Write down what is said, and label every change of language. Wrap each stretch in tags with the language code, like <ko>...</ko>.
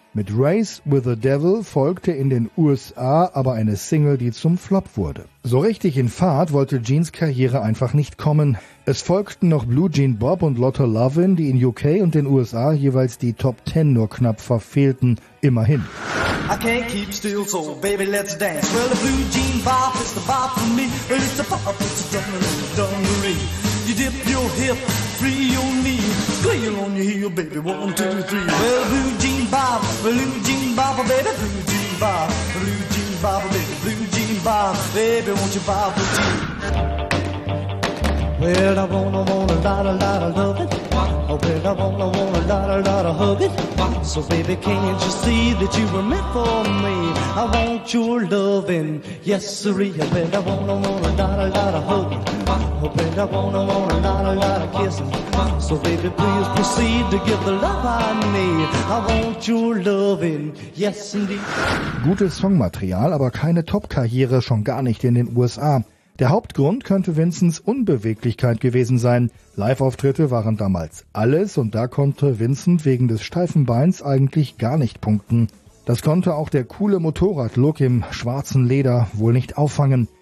<de>Mit Race with the Devil folgte in den USA aber eine Single, die zum Flop wurde. So richtig in Fahrt wollte Genes Karriere einfach nicht kommen. Es folgten noch Blue Jean Bob und Lotta Lovin, die in UK und den USA jeweils die Top 10 nur knapp verfehlten. Immerhin.</de> <en>I can't keep still, so baby let's dance. Well, the Blue Jean Bob is the bob for me. Well, it's a bob, it's a dungaree, dungaree. You dip your hip, free your knee. Squeal on your heel, baby, 1, 2, 3. Well, Blue Jean Bob, Blue Jean Bob, baby, Blue Jean Bob, Blue Jean Bob, baby, Blue Jean Bob, baby, won't you bob for tea? Well, I want a lot of loving. Oh, well, I want a lot of hugging. So, baby, can't you see that you were meant for me? I want your loving, yes, sirree. Oh, well, I want a lot of hugging. Oh, well, I want a lot of kissing. So, baby, please proceed to give the love I need. I want your loving, yes, indeed.</en> <de>Gutes Songmaterial, aber keine Top-Karriere, schon gar nicht in den USA. Der Hauptgrund könnte Vincents Unbeweglichkeit gewesen sein. Live-Auftritte waren damals alles und da konnte Vincent wegen des steifen Beins eigentlich gar nicht punkten. Das konnte auch der coole Motorrad-Look im schwarzen Leder wohl nicht auffangen.</de>